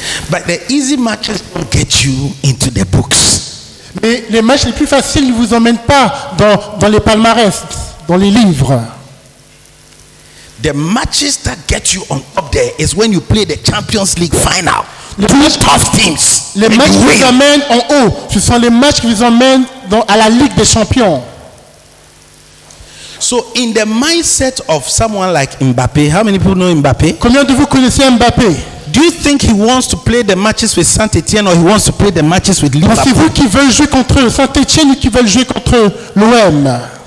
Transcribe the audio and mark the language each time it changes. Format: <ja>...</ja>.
<en>But the easy matches will get you into the books.</en> <fr>Mais les matchs les plus faciles ne vous emmènent pas dans les palmarès, dans les livres.</fr> <en>The matches that get you on top there is when you play the Champions League final.</en> <fr>Les matchs qui vous amènent en haut, ce sont les matchs qui vous amènent à la Ligue des Champions.</fr> <en>So in the mindset of someone like Mbappé, how many people know Mbappé?</en> <fr>Combien de vous connaissez Mbappé?</fr> <en>Do you think he wants to play the matches with Saint-Étienne or he wants to play the matches with Liverpool?</en> <fr>Pensez-vous qu'il veut jouer contre Saint-Étienne ou qu'il veut jouer contre l'OM?</fr>